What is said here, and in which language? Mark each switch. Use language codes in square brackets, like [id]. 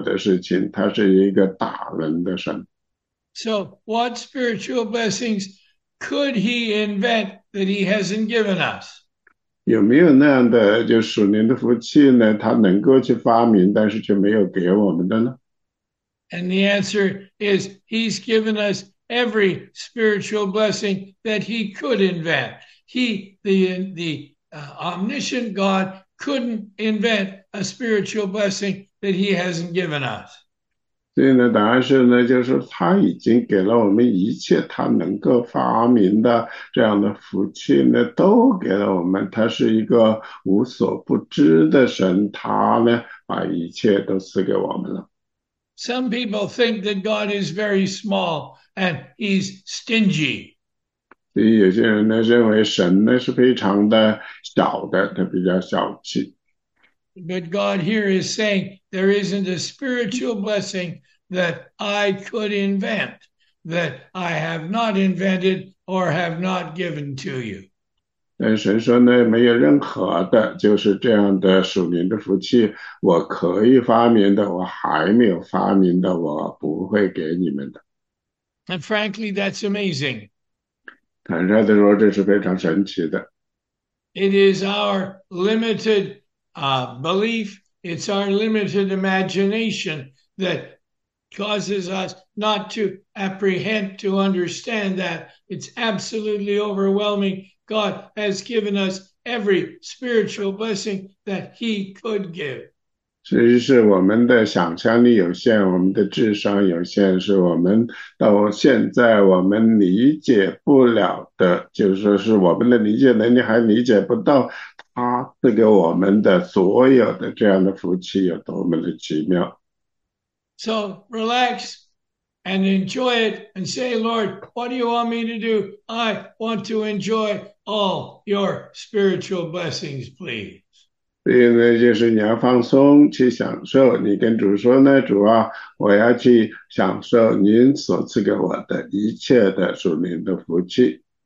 [zh] 所以他是一个神呢，他可以做所有的事情，他也会做所有的事情，他是一个大能的神。 [en] So, what spiritual blessings could he invent that he hasn't given us? [zh] 有没有那样的就属灵的福气呢？他能够去发明，但是却没有给我们的呢？ [en] And the answer is, he's given us every spiritual blessing that he could invent. The omniscient God couldn't invent a spiritual blessing that he hasn't given us. [zh] 所以呢，答案是呢，就是他已经给了我们一切，他能够发明的这样的福气呢，都给了我们。他是一个无所不知的神，他呢，把一切都赐给我们了。 [en] Some people think that God is very small and he's stingy. [zh] 所以有些人呢，认为神呢是非常的小的，他比较小气。 [en] But God here is saying there isn't a spiritual blessing that I could invent, that I have not invented or have not given to you. [zh] 但神说呢，没有任何的，就是这样的属灵的福气，我可以发明的，我还没有发明的，我不会给你们的。 [en] And frankly, that's amazing. [zh] 坦率地说，这是非常神奇的。 [en] It is our limited belief, it's our limited imagination that causes us not to apprehend, to understand that. It's absolutely overwhelming. God has given us every spiritual blessing that He could give. [zh] 其实是我们的想象力有限，我们的智商有限，是我们到现在我们理解不了的，就是说是我们的理解能力还理解不到他赐给我们的所有的这样的福气有多么的奇妙。 [en] So relax and enjoy it and say, Lord, what do you want me to do? I want to enjoy all your spiritual blessings, please. [zh] 所以呢，就是你要放松去享受。你跟主说呢，主啊，我要去享受您所赐给我的一切的属灵的福气。